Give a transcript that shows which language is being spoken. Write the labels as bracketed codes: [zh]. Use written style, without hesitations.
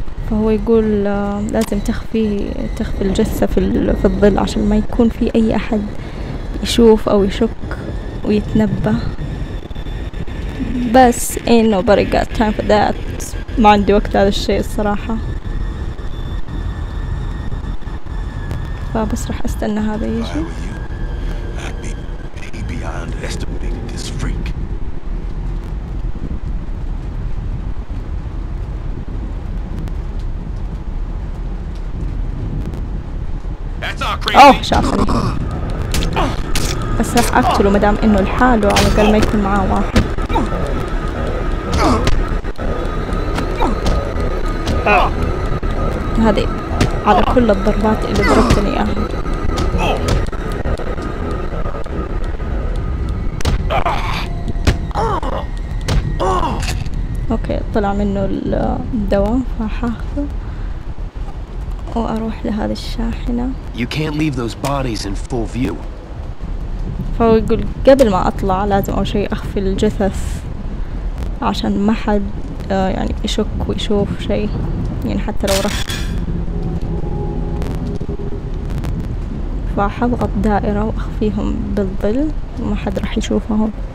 [ar] فهو يقول لازم تخفي الجثة في الظل عشان ما يكون في اي احد يشوف او يشك ويتنبه. [en] بس ain't nobody got time for that. [ar] ما عندي وقت هذا الشيء الصراحة، فبس رح استنى هذا يجي. اوه شافني. بس رح اقتله مدام انه لحاله، على الاقل ما يكون معاه واحد. هذه على كل الضربات اللي ضربتني اياها. اوكي طلع منه الدواء، فحاخذه واروح لهذه الشاحنه. [en] You can't leave those bodies in full view. [ar] فهو يقول قبل ما اطلع لازم اول شيء اخفي الجثث عشان ما حد يعني يشك ويشوف شيء، يعني حتى لو رحت. فحضغط دائرة واخفيهم بالظل وما حد راح يشوفهم.